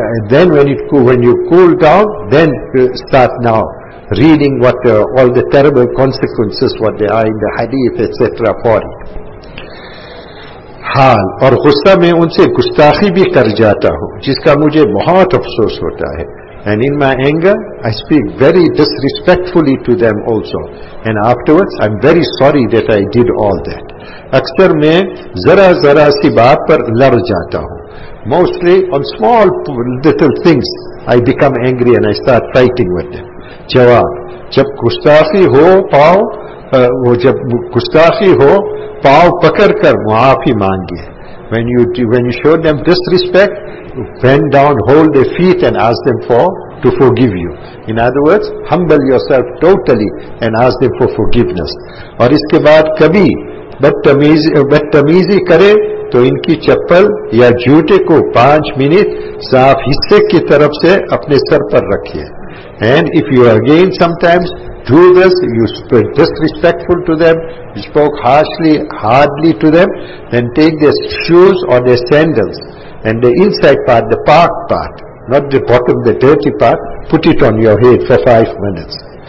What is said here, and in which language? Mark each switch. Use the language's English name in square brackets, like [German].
[English] Then when you cool down, then start now reading what all the terrible consequences, what they are in the hadith, etc. for it. [Urdu] حال اور غصہ میں ان سے گستاخی بھی کر جاتا ہوں جس کا مجھے بہت افسوس ہوتا ہے. [English] And in my anger I speak very disrespectfully to them also, and afterwards I'm very sorry that I did all that. [Urdu] اکثر میں ذرا ذرا سی بات پر لڑ جاتا ہوں. [English] Mostly on small little things I become angry and I start fighting with them. [Urdu] جواب جب گستاخی ہو پاؤ جب گستاخی ہو پاؤ پکڑ کر معافی مانگیے. [English] When you show them disrespect, bend down, hold their feet and ask them to forgive you. In other words, humble yourself totally and ask them for forgiveness. [Urdu] اور اس کے بعد کبھی بدتمیزی کرے تو ان کی چپل یا جوتے کو 5 منٹ صاف حصے کی طرف سے اپنے سر پر رکھیے. [English] And if you again sometimes do this, you spoke disrespectful to them, you spoke harshly, hardly to them, then take their shoes or their sandals and the inside part, the park part, not the bottom, the dirty part, put it on your head for 5 minutes.